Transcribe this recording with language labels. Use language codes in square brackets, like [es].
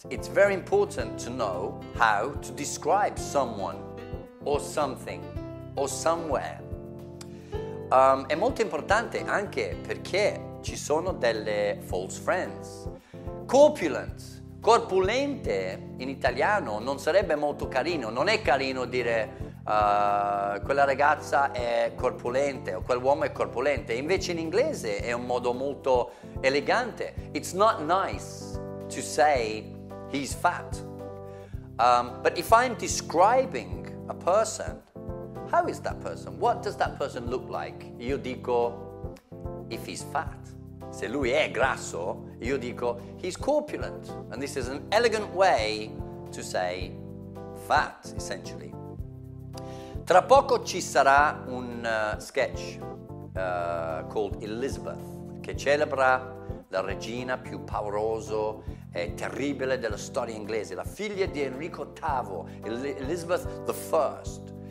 [en] It's very important to know how to describe someone or something or somewhere. [it] È molto importante anche perché ci sono delle false friends. Corpulent. Corpulente in italiano non sarebbe molto carino, non è carino dire quella ragazza è corpulente o quel uomo è corpulente, invece in inglese è un modo molto elegante. [en] It's not nice to say he's fat. But if I'm describing a person, how is that person? What does that person look like? [it] Io dico [en] if he's fat. [it] Se lui è grasso, io dico, [en] he's corpulent. [it] And this is an elegant way to say fat, essentially. Tra poco ci sarà un sketch called Elizabeth, che celebra la regina più paurosa e terribile della storia inglese, la figlia di Enrico VIII, Elizabeth I.